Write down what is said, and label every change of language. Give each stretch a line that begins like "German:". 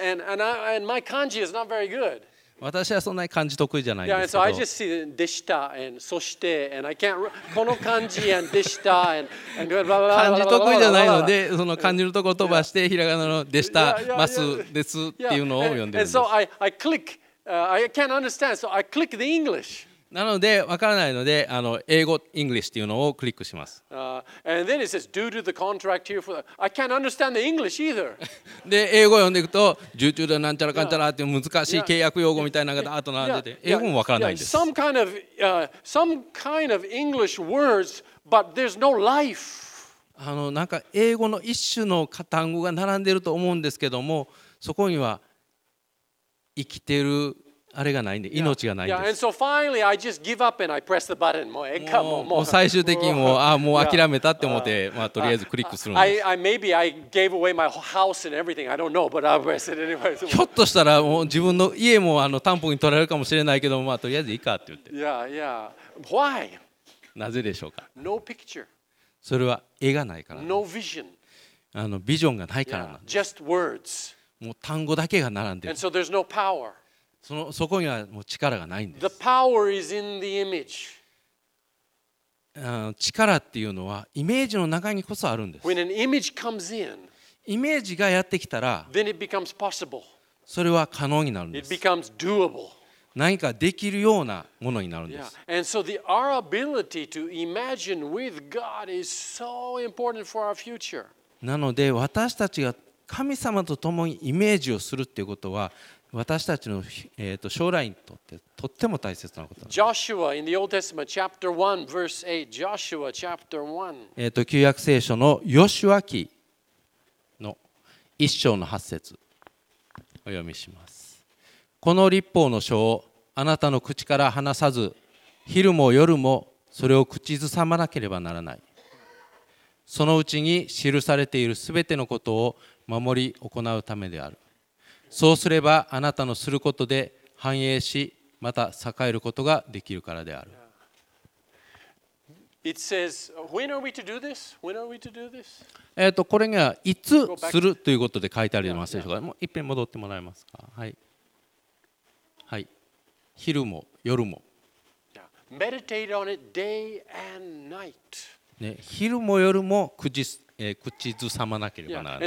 English: And my kanji is not very good.
Japanese: 私はそんなに漢字得意じゃないんですけど。
English: Yeah, and so I just see でしたand そして and I can't
Japanese: この漢字
English: and でしたand blah blah blah blah blah
Japanese: 漢字得意じゃないのでその漢字のところを飛ばしてひらがなのでしたますですっていうのを読んでるんです。
English: And so I click, I can't understand, so I click the English.
Japanese: なので分からないので英語 English っていうのをクリックします。
English: And then it says due to the contract here for the... I can't understand the English either.
Japanese: で英語を読んでいくと
English: due to the
Japanese: なんちゃらかんちゃらっていう難しい契約用語みたいなのが後並んでて英語も分からないんです。
English: Some kind of some kind of English words, but there's no life.
Japanese: なんか英語の一種の単語が並んでると思うんですけどもそこには生きてるあれがないんで命がないんです。
English: Yeah.
Japanese: もう最終的にもうああもう諦めたって思って、まあ、とりあえずクリックするんです。
English: Maybe I gave away my house and everything. I don't know, but I'll press it anyway.
Japanese: ひょっとしたらもう自分の家も担保に取られるかもしれないけど、まあとりあえずいいかって言って。
English: Yeah, yeah. Why?
Japanese: なぜでしょうか。
English: No picture.
Japanese: それは絵がないから。
English: No vision.
Japanese: ビジョンがないからなんです。
English: Yeah. Just words.
Japanese: もう単語だけが並んでる。
English: And so there's no power.
Japanese: そこにはもう力がないんです。
English: The power is in the image.
Japanese: 力っていうのはイメージの中にこそあるんです。
English: When an image comes in,
Japanese: イメージがやってきたら
English: then it becomes possible.
Japanese: それは可能になるんです。
English: It becomes doable.
Japanese: 何かできるようなものになるんです。
English: Yeah. And so the, our ability to imagine with God is so important for our future.
Japanese: なので私たちが神様と共にイメージをするっていうことは私たちの将来にとってとっても大切なことです。
English: Joshua in the Old Testament chapter 1 verse 8 Joshua chapter 1
Japanese: 旧約聖書のヨシュア記の一章の8節お読みします。この律法の書をあなたの口から離さず昼も夜もそれを口ずさまなければならない。そのうちに記されているすべてのことを守り行うためである。そうすればあなたのすることで繁栄しまた栄えることができるからである。
English: It says, when are we to do this? When are we to do this?
Japanese: これがいつするということで書いてありますでしょうか。もう一遍戻ってもらえますか。はい。はい。昼も夜も。
English: Meditate on it day and night.
Japanese: ね、昼も夜も口ずさまなければならない。